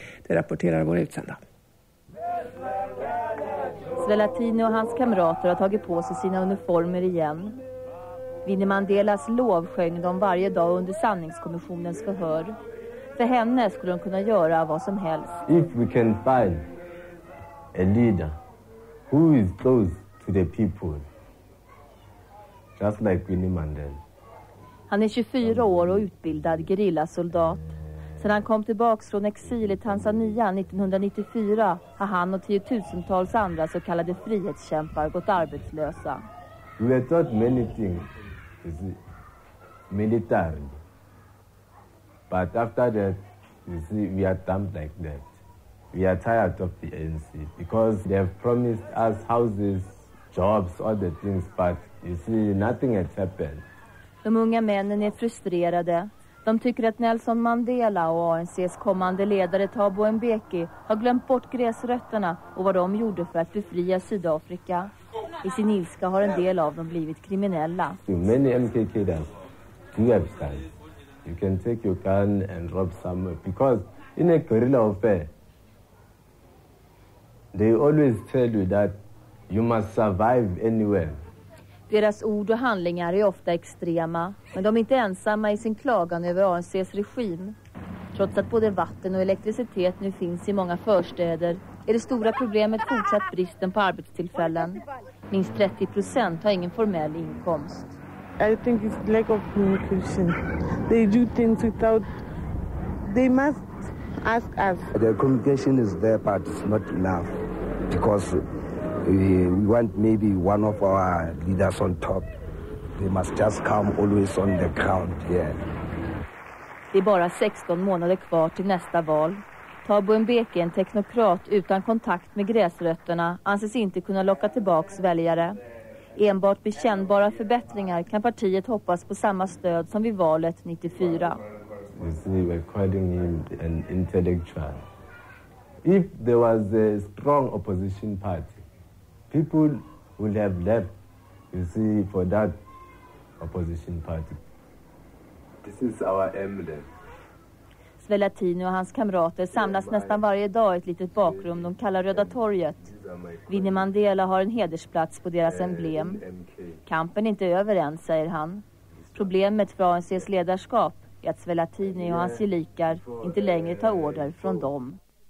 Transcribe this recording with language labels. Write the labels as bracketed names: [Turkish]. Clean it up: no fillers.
[Swedish] Det rapporterar vår utsända. Svelatini och hans kamrater har tagit på sig sina uniformer igen. Winnie Mandelas lov sjöng de varje dag under sanningskommissionens förhör. För henne skulle de kunna göra vad som helst. [English] If we can find a leader who is close to the people, just like Winnie Mandela. [Swedish] Han är 24 år och utbildad gerillasoldat. Sedan han kom tillbaka från exil i Tanzania 1994 har han och tiotusentals andra så kallade frihetskämpar gått arbetslösa. [English] We were taught many things, military. But after that, you see, we are dumb like that. We are tired of the ANC because they have promised us houses, jobs, all the things, but you see, nothing has happened. [Swedish] De unga männen är frustrerade. De tycker att Nelson Mandela och ANC:s kommande ledare Thabo Mbeki har glömt bort gräsrötterna och vad de gjorde för att befria Sydafrika. I sin ilska har en del av dem blivit kriminella. [English] Many MKK leaders do have guns. You can take your gun and rob someone because in a guerrilla warfare they always tell you that you must survive anywhere. [Swedish] Deras ord och handlingar är ofta extrema, men de är inte ensamma i sin klagan över ANC:s regim. Trots att både vatten och elektricitet nu finns i många förstäder är det stora problemet fortsatt bristen på arbetstillfällen. Minst 30% har ingen formell inkomst. [English] I think it's lack of communication. They do things without... They must ask us. The communication is there, but it's not enough. Because... We want maybe one of our leaders on top. They must just come always on the ground here. [Swedish] Det är bara 16 månader kvar till nästa val. Thabo Mbeki, en teknokrat utan kontakt med gräsrötterna, anses inte kunna locka tillbaks väljare. Enbart med kännbara förbättringar kan partiet hoppas på samma stöd som vid valet 94. [English] You see, we're calling him an intellectual. If there was a strong opposition party, people would have left, you see, for that opposition party. This is our emblem. [Swedish] Svelatino och hans kamrater samlas nästan varje dag i ett litet bakrum de kallar Röda torget. Winnie Mandela har en hedersplats på deras emblem. Kampen är inte över än, säger han. Problemet för ANC:s ledarskap är att Svelatino och hans gelikar inte längre tar order från dem.